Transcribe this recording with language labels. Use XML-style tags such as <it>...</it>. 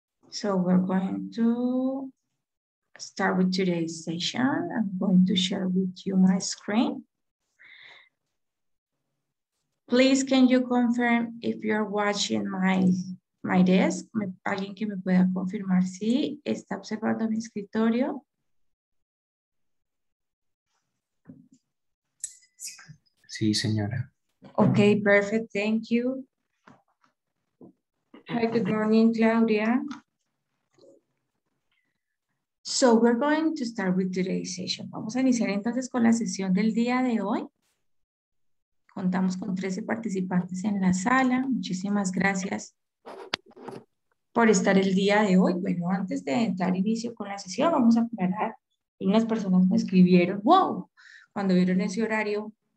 <en>So we're going to start with today's session. I'm going to share with you my screen. Please, can you confirm if you're watching my desk?</en> <es>Alguien que me pueda confirmar si está observando mi escritorio. Sí, señora.</es> <en>Okay, perfect, thank you. Hi, good morning, Claudia. So we're going to start with today's session.</en> <es>Vamos a iniciar entonces con la sesión del día de hoy. Contamos con 13 participantes en la sala. Muchísimas gracias por estar el día de hoy. Bueno, antes de dar inicio con la sesión, vamos a aclarar. Unas personas me escribieron, wow, cuando vieron ese horario.</es>